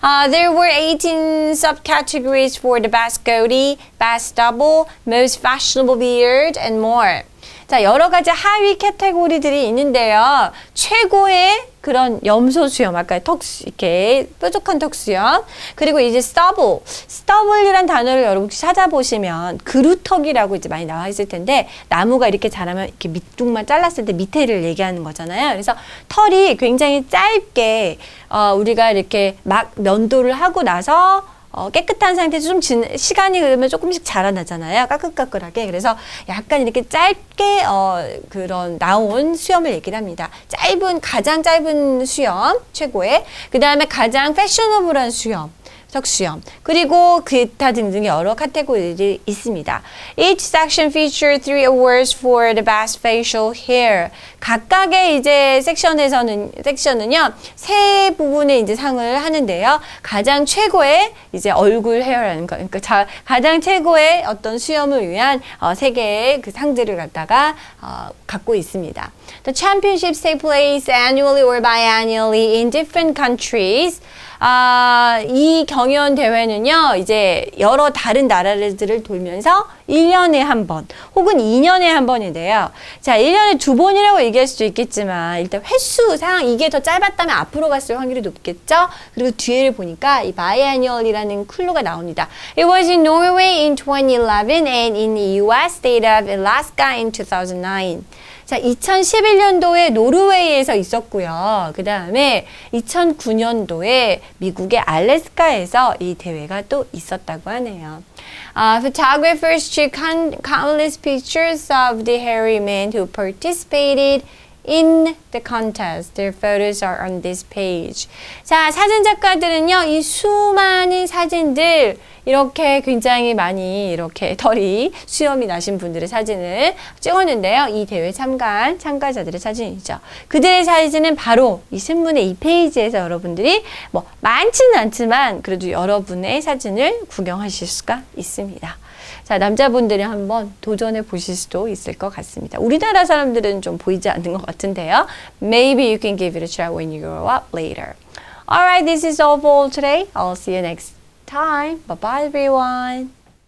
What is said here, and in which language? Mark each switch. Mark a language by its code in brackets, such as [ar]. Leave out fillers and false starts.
[en] There were 18 subcategories for the best goatee, best double, most fashionable beard, and more. [ko] 자, 여러 가지 하위 카테고리들이 있는데요. 최고의 그런 염소 수염, 아까 턱, 이렇게 뾰족한 턱 수염. 그리고 이제 stubble. stubble이란 단어를 여러분 혹시 찾아보시면 그루턱이라고 이제 많이 나와 있을 텐데 나무가 이렇게 자라면 이렇게 밑둥만 잘랐을 때 밑에를 얘기하는 거잖아요. 그래서 털이 굉장히 짧게 우리가 이렇게 막 면도를 하고 나서 깨끗한 상태에서 좀 시간이 흐르면 조금씩 자라나잖아요. 까끌까끌하게. 그래서 약간 이렇게 짧게 그런 나온 수염을 얘기를 합니다. 짧은, 가장 짧은 수염 최고의. 그 다음에 가장 패셔너블한 수염, 턱수염. 그리고 기타 등등의 여러 카테고리들이 있습니다. [en] Each section featured 3 awards for the best facial hair. [ko] 각각의 이제 섹션은요, 세 부분에 이제 상을 하는데요. 가장 최고의 이제 얼굴 헤어라는 거. 그러니까 가장 최고의 어떤 수염을 위한 세 개의 그 상들을 갖다가 갖고 있습니다. [en] The championships take place annually or biannually in different countries. [ko] 이 경연 대회는요, 이제 여러 다른 나라들을 돌면서 1년에 한 번, 혹은 2년에 한 번인데요. 자, 1년에 두 번이라고 얘기할 수도 있겠지만, 일단 횟수상 이게 더 짧았다면 앞으로 갔을 확률이 높겠죠? 그리고 뒤에를 보니까 이 biannual이라는 클루가 나옵니다. [en] It was in Norway in 2011 and in the US state of Alaska in 2009. [ko] 자, 2011년도에 노르웨이에서 있었고요. 그 다음에 2009년도에 미국의 알래스카에서 이 대회가 또 있었다고 하네요. [en] Photographers took countless pictures of the hairy men who participated in the contest. Their photos are on this page. [ko] 자, 사진작가들은요, 이 수많은 사진들, 이렇게 굉장히 많이 이렇게 털이 수염이 나신 분들의 사진을 찍었는데요. 이 대회 참가한 참가자들의 사진이죠. 그들의 사진은 바로 이 신문의 이 페이지에서 여러분들이 뭐 많지는 않지만 그래도 여러분의 사진을 구경하실 수가 있습니다. 자, 남자분들이 한번 도전해 보실 수도 있을 것 같습니다. 우리나라 사람들은 좀 보이지 않는 것 같은데요. [en] Maybe you can give it a try when you grow up later. Alright, this is all for today. I'll see you next time. Bye-bye, everyone.